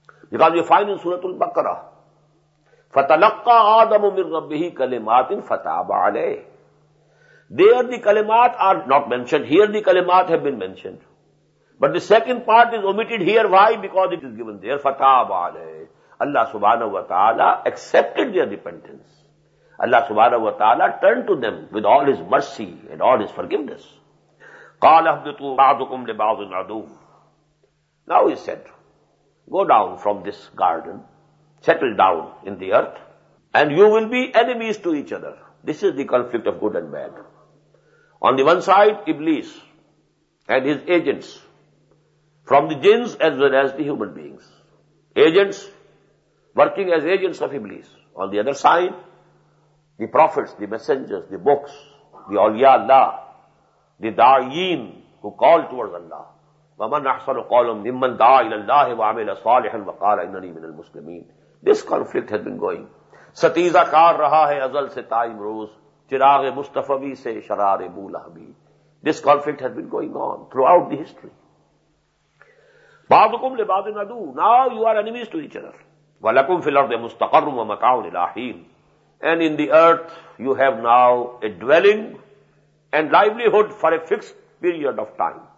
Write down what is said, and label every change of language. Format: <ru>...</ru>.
<en>Because you find in Surah Al-Baqarah,</en> <ar>فَتَلَقَّى آدَمُ مِنْ رَبِّهِ كَلِمَاتٍ فَتَابَ عَلَيْهِ.</ar> <en>There the kalimat are not mentioned. Here the kalimat have been mentioned. But the second part is omitted here. Why? Because it is given there. Fatabale. Allah subhanahu wa ta'ala accepted their repentance. اللہ سبحانہ و تعالیٰ turn to them with all his mercy and all his forgiveness.</en> <ar>قال اهبطوا بعضكم لبعض عدو.</ar> <en>Now he said, go down from this garden, settle down in the earth, and you will be enemies to each other. This is the conflict of good and bad. On the one side, Iblis and his agents, from the jinns as well as the human beings. Agents working as agents of Iblis. On the other side, the prophets, the messengers, the books, the awliya Allah, the da'yeen who call towards Allah.</en> <ar>وَمَنْ أَحْسَنُ قَوْلًا مِمَّنْ دَعَا إِلَى اللَّهِ وَعَمِلَ صَالِحًا وَقَالَ إِنَّنِي مِنَ الْمُسْلِمِينَ.</ar> <en>This conflict has been going.</en> <ur>ستیزہ کار رہا ہے ازل سے time روز, چراغ مصطفی سے شرار بولہبی.</ur> <en>This conflict has been going on throughout the history.</en> <ar>بَعْضُكُمْ لِبَعْضٍ عَدُوٌّ.</ar> <en>Now you are enemies to each other.</en> <ar>وَلَكُمْ فِي الْأَرْضِ مُسْتَقَرٌّ وَمَتَاعٌ إِلَى حِينٍ.</ar> <en>And in the earth you have now a dwelling and livelihood for a fixed period of time.</en>